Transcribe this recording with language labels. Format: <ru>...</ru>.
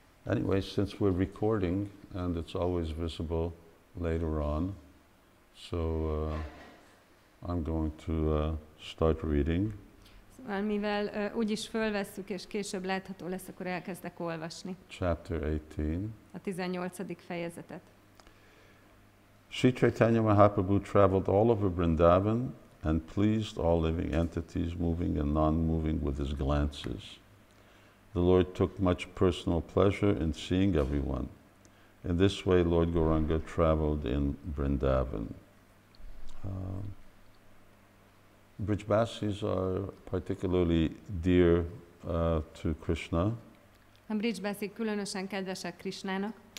<en>Anyway, since we're recording and it's always visible later on, so I'm going to start reading.</en> <hu>Mivel úgyis fölvesszük és később látható lesz, akkor elkezdek olvasni.</hu> <en>Chapter 18.</en> <hu>A 18. fejezetet.</hu> <en>Sri Caitanya Mahaprabhu traveled all over Vrindavan and pleased all living entities, moving and non-moving, with his glances. The Lord took much personal pleasure in seeing everyone. In this way, Lord Gauranga traveled in Vrindavan. Brijbasis are particularly dear to Krishna.</en> <hu>A brijbasik különösen kedvesek Krishnának.</hu>